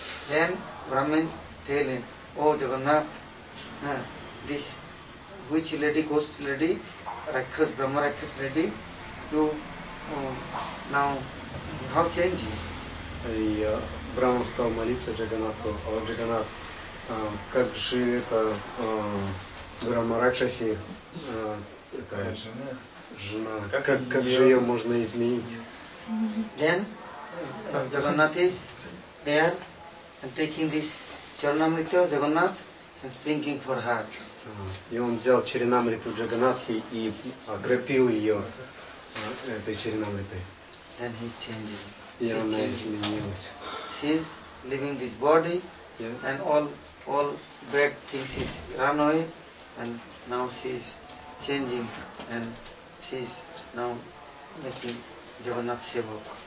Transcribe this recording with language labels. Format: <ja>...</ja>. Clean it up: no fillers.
<en>Then Brahman tell him, oh Jagannath, this witch lady, ghost lady, Rakshas, Brahma Rakshas lady, you now how change it?</en> <ru>И Брахман стал молиться Джаганнатху, о Джаганнат, как же это Брахма Ракшаси, это жена, как же ее можно изменить?</ru> <en>Then Jagannath is there and taking this Charanamrita Jagannath and sprinkling for her.</en> <ru>И он взял Чаринамриту Джаганнатхи и окропил ее этой Чаринамритой.</ru> <en>Then he changed.</en> <ru>И она изменилась.</ru> <en>She is leaving this body and all bad things is run away and now she is changing and she is now making Jagannath Sevak.</en>